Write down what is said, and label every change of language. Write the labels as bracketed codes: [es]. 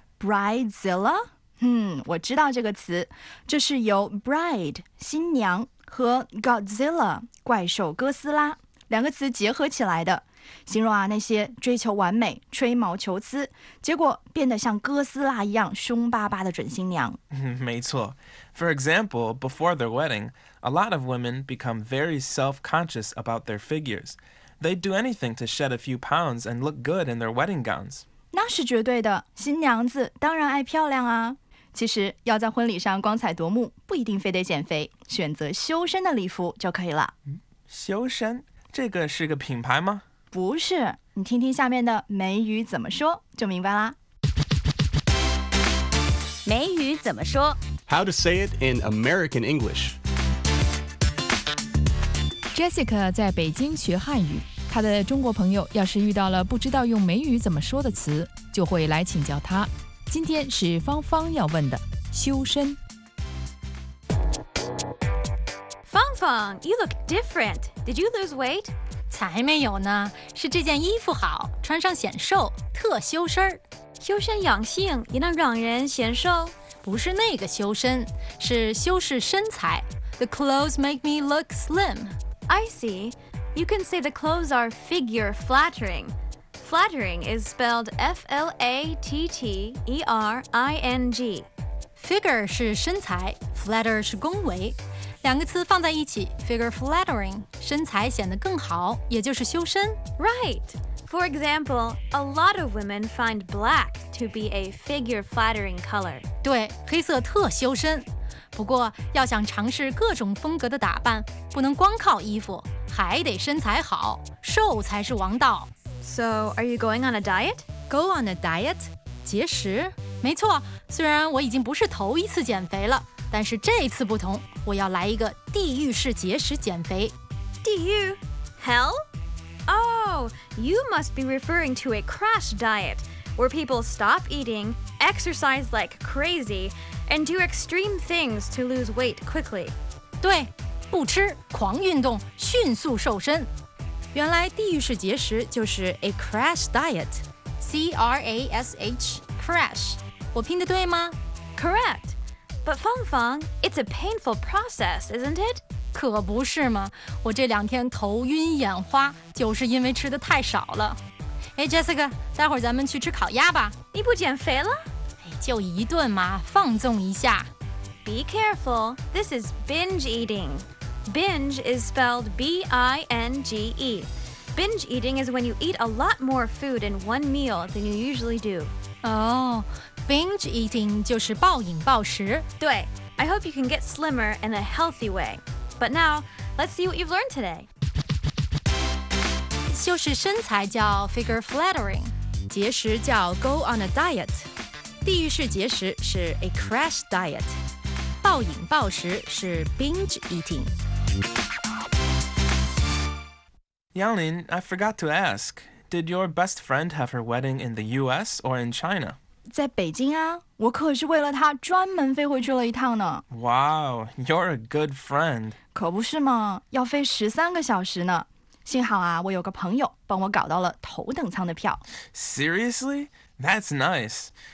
[zh] Bridezilla? 我知道这个词，这是由 bride 新娘和 Godzilla 怪兽哥斯拉两个词结合起来的。形容啊那些追求完美吹毛求疵结果变得像哥斯拉一样凶巴巴的准新娘。没错。 [en] For example, before their wedding, a lot of women become very self-conscious about their figures. They'd do anything to shed a few pounds and look good in their wedding gowns. [zh] 那是绝对的，新娘子当然爱漂亮啊。其实要在婚礼上光彩夺目不一定非得减肥，选择修身的礼服就可以了。修身？这个是个品牌吗？不是，你听听下面的美语怎么说就明白啦。美语怎么说 [en] ？How to say it in American English? [zh] Jessica 在北京学汉语，她的中国朋友要是遇到了不知道用美语怎么说的词，就会来请教她。今天是芳芳要问的，修身。 [en] 芳芳 ，You look different. Did you lose weight? [zh] 才没有呢，是这件衣服好，穿上显瘦，特修身。修身养性也能让人显瘦？不是那个修身，是修饰身材。 [en] The clothes make me look slim. I see. You can say the clothes are figure flattering. Flattering is spelled F-L-A-T-T-E-R-I-N-G. [zh] Figure 是身材 ，flatter 是恭维。两个词放在一起 ，figure flattering， 身材显得更好，也就是修身。 [en] Right. For example, a lot of women find black to be a figure flattering color. [zh] 对，黑色特修身。不过要想尝试各种风格的打扮，不能光靠衣服，还得身材好，瘦才是王道。 [en] So, are you going on a diet? Go on a diet? 节食？ [zh] 没错，虽然我已经不是头一次减肥了，但是这次不同，我要来一个地狱式节食减肥。地狱？Hell? [en] Oh, you must be referring to a crash diet, where people stop eating, exercise like crazy, and do extreme things to lose weight quickly. [zh] 对，不吃，狂运动，迅速瘦身。原来地狱式节食就是 a crash diet, C-R-A-S-H, crash. 我拼得对吗？ [en] Correct. But Feng Feng, it's a painful process, isn't it? [zh] 可不是嘛，我这两天头晕眼花，就是因为吃的太少了。哎 ，Jessica， 待会儿咱们去吃烤鸭吧。你不减肥了？哎，就一顿嘛，放纵一下。 [en] Be careful, this is binge eating. Binge is spelled B-I-N-G-E. Binge eating is when you eat a lot more food in one meal than you usually do. Oh, binge eating [zh] 就是暴饮暴食。 [en] 对 ，I hope you can get slimmer in a healthy way. But now, let's see what you've learned today. [zh] 修饰身材叫 figure flattering, 节食叫 go on a diet. 地狱式节食是 a crash diet. 暴饮暴食是 binge eating. [en] Yanlin, I forgot to ask, did your best friend have her wedding in the US or in China? [zh] 在北京啊，我可是为了他专门飞回去了一趟呢。 [en] Wow, you're a good friend. [zh] 可不是嘛，要飞13个小时呢。幸好啊，我有个朋友帮我搞到了头等舱的票。 [en] Seriously? That's nice.